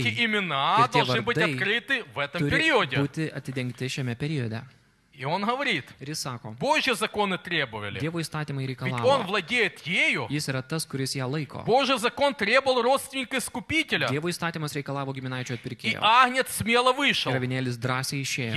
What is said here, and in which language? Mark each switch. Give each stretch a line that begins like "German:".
Russian: Эти имена должны быть открыты в этом периоде.
Lithuanian: Būti atidengti šiame periode.
Russian: И он говорит, Божьи законы требовали,
Lithuanian: Dievo įstatymai reikalavo,
Russian: ведь он владеет ею,
Lithuanian: jis yra tas, kuris ją laiko.
Russian: Божий закон требовал родственника искупителя,
Lithuanian: Dievo įstatymas reikalavo giminaičio atpirkėjo,
Russian: и Агнец смело вышел,
Lithuanian: ir Avinėlis drąsiai išėjo.